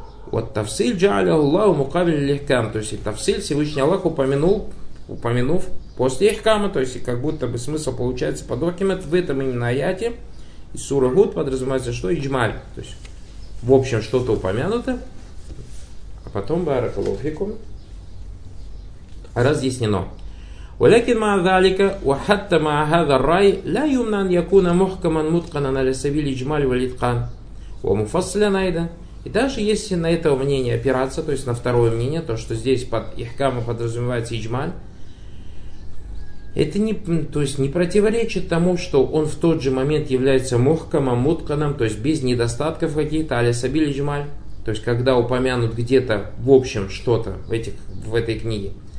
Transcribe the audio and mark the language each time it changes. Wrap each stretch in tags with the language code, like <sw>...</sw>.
<ru>Вот</ru> <ar>тафсиль джааля Аллаху мукабиль лихкам.</ar> <ru>То есть тафсиль Всевышний Аллах упомянув после лихкама. То есть как будто бы смысл получается под ухкимат в этом именно аяте. И сура Гуд подразумевается, что иджмаль. То есть в общем что-то упомянуто. А потом баракалуфикум разъяснено.</ru> <ar>ولكن مع ذلك وحتى مع هذا الرأي لا يمنع أن يكون محكما متقنا على سبيل الإجمال والإتقان ومفصلا أيضا.</ar> <ru>И даже если на это мнение опираться, то есть на второе мнение, то что здесь под ихкаму подразумевается иджмаль, это не, то есть не противоречит тому, что он в тот же момент является мухкамом, мутканом, то есть без недостатков каких-то,</ru> <ar>али сабиль иджмаль,</ar> <ru>то есть когда упомянут где-то в общем что-то в этой книге.</ru>